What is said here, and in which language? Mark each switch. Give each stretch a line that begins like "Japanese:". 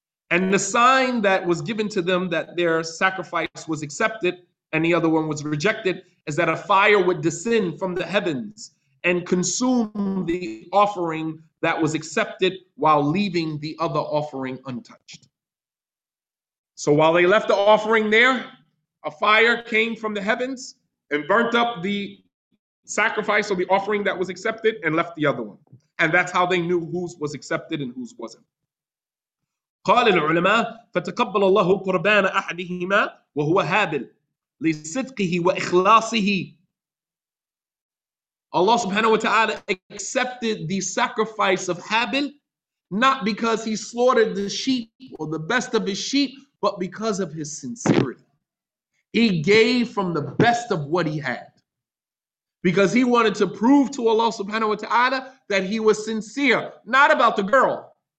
English: And the sign that was given to them that their sacrifice was accepted and the other one was rejected is that a fire would descend from the heavens and consume the offering that was accepted while leaving the other offering untouched. So while they left the offering there, a fire came from the heavens and burnt up the sacrifice or the offering that was accepted and left the other one. And that's how they knew whose was accepted and whose wasn't.
Arabic: قال العلماء فتقبل الله قربان أحدهما وهو هابل لصدقه وإخلاصه.
English: Allah subhanahu wa ta'ala accepted the sacrifice of Habil, not because he slaughtered the sheep or the best of his sheep, but because of his sincerity. He gave from the best of what he had. Because he wanted to prove to Allah subhanahu wa ta'ala that he was sincere, not about the girl.